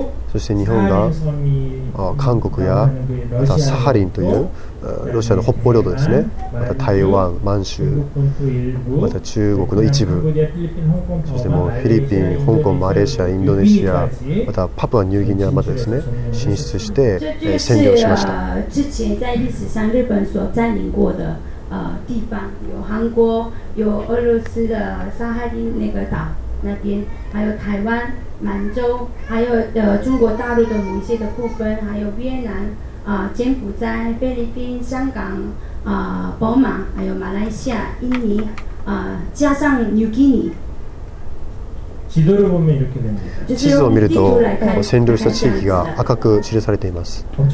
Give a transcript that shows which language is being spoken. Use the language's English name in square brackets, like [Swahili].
[Japanese] そして日本が韓国やまたサハリンというロシアの北方領土ですね、また台湾、満州、また中国の一部、そしてもうフィリピン、香港、マレーシア、インドネシア、またパプアニューギニアまでですね進出して占領しました。 [Chinese] 之前在历史上日本所占领过的地方有韩国、有俄罗斯的沙哈林那个岛那边，还有台湾、满洲，还有中国大陆的某些的部分，还有越南、柬埔寨、菲律宾、香港、博马，还有马来西亚、印尼，加上纽基尼。 [Japanese] 地図を見ると占領した地域が赤く記されています。